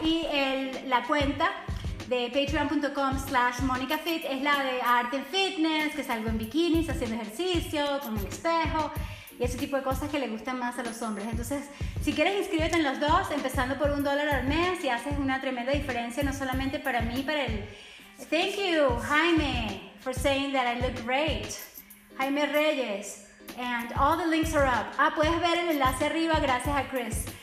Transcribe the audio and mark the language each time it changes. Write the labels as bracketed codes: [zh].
[es] Y la cuenta de patreon.com/monicafit es la de arte en fitness, que salgo en bikinis haciendo ejercicio con el espejo y ese tipo de cosas que le gustan más a los hombres. Entonces, si quieres, inscríbete en los dos, empezando por $1 al mes, y haces una tremenda diferencia, no solamente para mí, para el... [en] Thank you, Jaime, for saying that I look great. Jaime Reyes. And all the links are up. [es] Ah, puedes ver el enlace arriba, gracias a Chris.